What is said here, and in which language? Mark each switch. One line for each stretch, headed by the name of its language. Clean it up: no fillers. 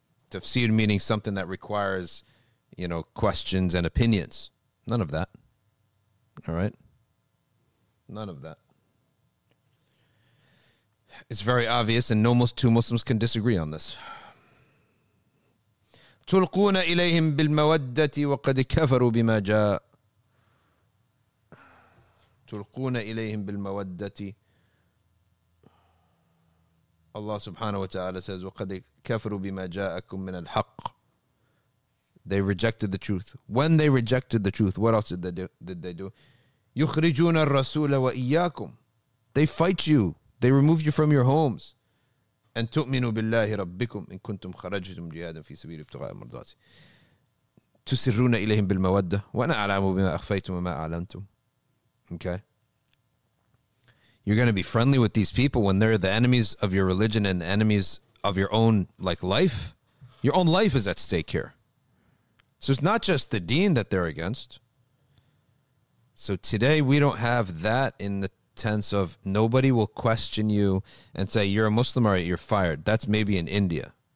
English: Tafsir meaning something that requires, you know, questions and opinions. None of that. All right. None of that. It's very obvious, and no two Muslims can disagree on this.
Arabic: تلقون إليهم بالمودة وقد كفروا بما جاء. تلقون إليهم بالمودة.
English: Allah subhanahu wa ta'ala says,
Arabic: وقد كفروا بما جاءكم من الحق.
English: They rejected the truth. When they rejected the truth, what else did they do?
Arabic: يخرجون الرسول وإياكم.
English: They fight you. They remove you from your homes.
Arabic: أن تؤمنوا بالله ربكم إن كنتم خرجتم جهادا في سبيل ابتغاء مرضاتي. تسرون إليهم بالمودة وأنا أعلم بما أخفيتم وما أعلنتم.
English: Okay. You're going to be friendly with these people when they're the enemies of your religion and the enemies of your own, like, life. Your own life is at stake here. So it's not just the deen that they're against. So today we don't have that in the tense of nobody will question you and say you're a Muslim or you're fired. That's maybe in India.